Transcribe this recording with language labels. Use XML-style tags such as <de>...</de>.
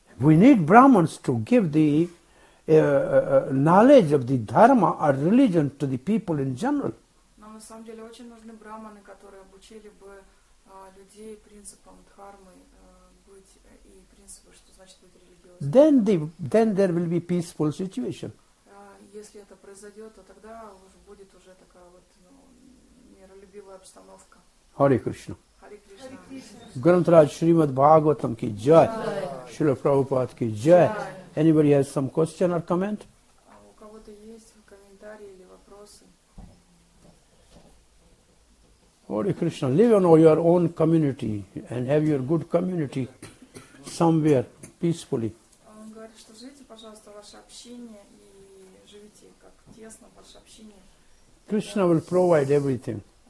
<en>We need brahmins to give the knowledge of the dharma or religion to the people in general.</en> <ru>Но на самом деле очень нужны браманы, которые обучили бы людей принципам дхармы быть и принципу, что значит быть религиозным.</ru> <en>Then there will be peaceful situation.</en> <ru>Если это произойдет, то тогда будет уже такая вот миролюбивая обстановка.</ru> <sa>Hare Krishna. Hare Krishna. Hare Krishna. Grantaraj Srimad Bhagavatam ki jai. Srila Prabhupada ki jai.</sa> <en>Anybody has some question or comment?</en> <ru>У кого-то есть комментарии или вопросы?</ru> <sa>Hare Krishna.</sa> <en>Live on your own community and have your good community somewhere peacefully.</en> <ru>Он говорит, что живите, пожалуйста, ваше общение и живите как тесно, ваше общение.</ru> <en>Krishna will provide everything.</en>